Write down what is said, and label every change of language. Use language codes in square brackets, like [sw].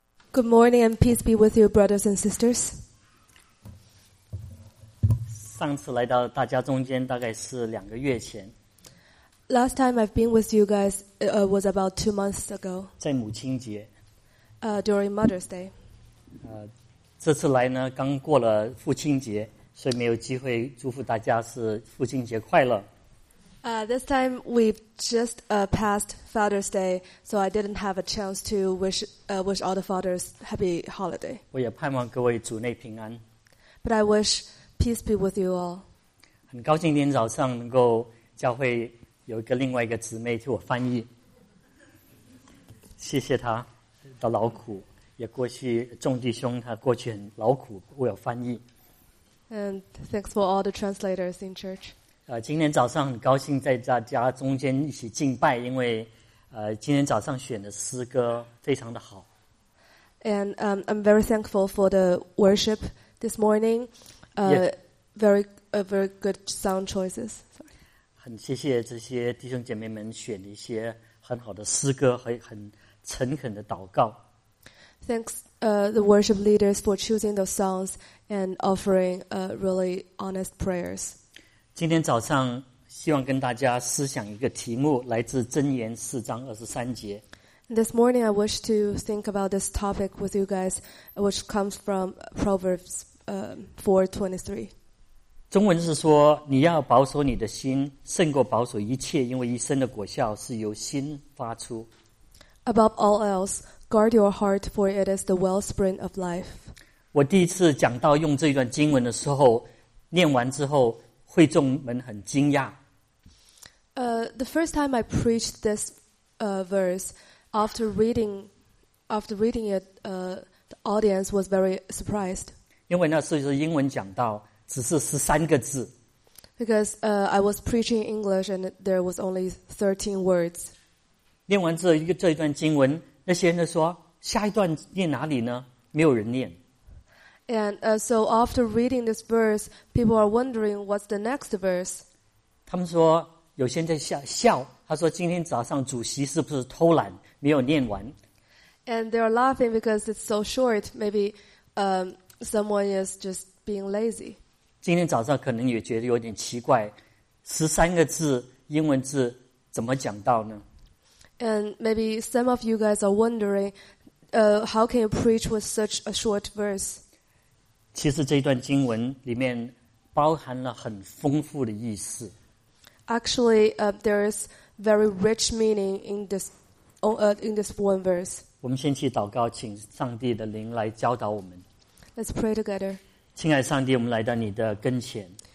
[en] Good morning and peace be with you, brothers and sisters. [zh] 上次来到大家中间大概是两个月前。 [en] Last time I've been with you guys was about 2 months ago. [zh] 在母亲节。 [en] During Mother's Day. [zh] 这次来呢，刚过了父亲节，所以没有机会祝福大家是父亲节快乐。 [en] This time we just passed Father's Day, so I didn't have a chance to wish all the fathers happy holiday. [zh] 我也盼望各位主内平安。 [en] But I wish peace be with you all. [zh] 很高兴今天早上能够教会有一个另外一个姊妹替我翻译，谢谢她的劳苦，也过去众弟兄他过去很劳苦为我翻译。 [en] And thanks for all the translators in church. [zh] 今天早上很高兴在大家中间一起敬拜，因为今天早上选的诗歌非常的好。 [en] And I'm very thankful for the worship this morning. Very good sound choices. Sorry. [zh] 很谢谢这些弟兄姐妹们选一些很好的诗歌和很诚恳的祷告。 [en] Thanks, the worship leaders for choosing those songs and offering really honest prayers. [zh] 今天早上希望跟大家思想一个题目，来自箴言四章二十三节。 [en] This morning I wish to think about this topic with you guys, which comes from Proverbs 4:23. [zh] 中文是说，你要保守你的心，胜过保守一切，因为一生的果效是由心发出。 [en] Above all else, guard your heart, for it is the wellspring of life. [zh] 我第一次讲到用这段经文的时候，念完之后会众们很惊讶。 [en] The first time I preached this verse, after reading it, the audience was very surprised. [zh] 因为那时候是英文讲到，只是十三个字。 [en] Because I was preaching English and there was only 13 words. [zh] 念完这一段经文，那些人说下一段念哪里呢？没有人念。 [en] And so after reading this verse, people are wondering what's the next verse. [zh] 他们说有些人在笑，他说今天早上主席是不是偷懒没有念完。 [en] And they are laughing because it's so short. Maybe someone is just being lazy. [zh] 今天早上可能也觉得有点奇怪，十三个字英文字怎么讲到呢？ [en] And maybe some of you guys are wondering how can you preach with such a short verse? [zh] 其实这段经文里面包含了很丰富的意思。 [en] Actually, there is very rich meaning in this one verse. [zh] 我们先去祷告，请上帝的灵来教导我们。 [en] Let's pray together. [zh] 亲爱上帝，我们来到你的跟前。